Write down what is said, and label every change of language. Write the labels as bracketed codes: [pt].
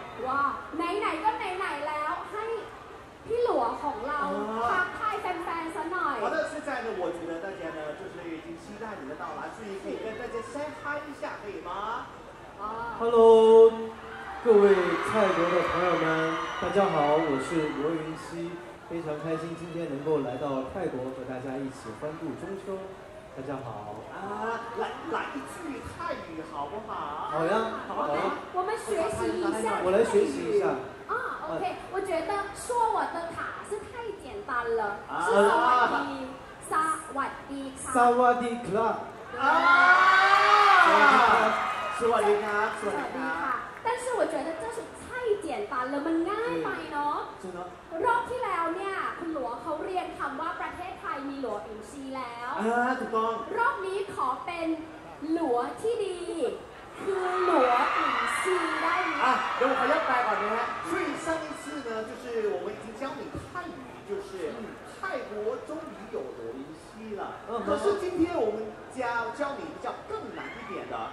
[th] ว้าไหนๆก็ไหนๆแล้วให้พี่หลัวของเราทักทายแฟนๆซะหน่อย [zh] 我的现在呢我觉得大家呢就是已经期待你的到来所以可以跟大家 [en] say hi [zh] 一下可以吗 Hello各位泰国的朋友们大家好我是罗云熙非常开心今天能够来到泰国和大家一起欢度中秋大家好来一句泰语好不好好呀好呀我们学习一下我来学习一下 OK 我觉得说我的卡是太简单了是萨瓦迪萨瓦迪卡萨瓦迪卡萨瓦迪卡但是我觉得这是太 [th] เจียนตันแล้วมันง่ายไปเนาะ ใช่เนาะ รอบที่แล้วเนี่ยคุณหลวงเขาเรียนคำว่าประเทศไทยมีหลวงอินชีแล้ว ถูกต้อง รอบนี้ขอเป็นหลวงที่ดีคือหลวงอินชีได้ไหม อ่ะเดี๋ยวขอเลือกแปลก่อนนะฮะ [zh] 最上一次呢就是我们已经教你泰语就是泰国终于有罗云熙了可是今天我们教你比较更难一点的